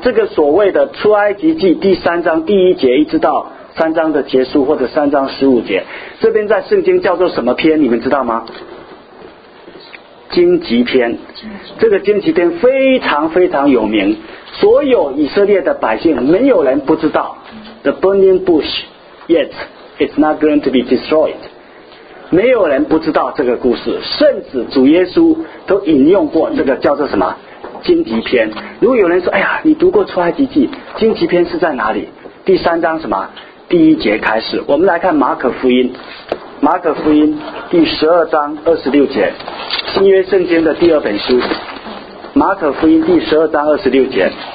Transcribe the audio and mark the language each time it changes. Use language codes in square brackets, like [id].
[zh] 这个所谓的出埃及记第三章第一节一直到三章的结束，或者三章十五节，这边在圣经叫做什么篇？你们知道吗？荆棘篇。这个荆棘篇非常非常有名，所有以色列的百姓没有人不知道。 [en] The burning bush yet it's not going to be destroyed。 [zh] 没有人不知道这个故事，甚至主耶稣都引用过这个叫做什么荆棘篇。如果有人说，哎呀，你读过出埃及记，荆棘篇是在哪里？第三章什么第一节开始，我们来看马可福音，马可福音第十二章二十六节，新约圣经的第二本书，马可福音第十二章二十六节。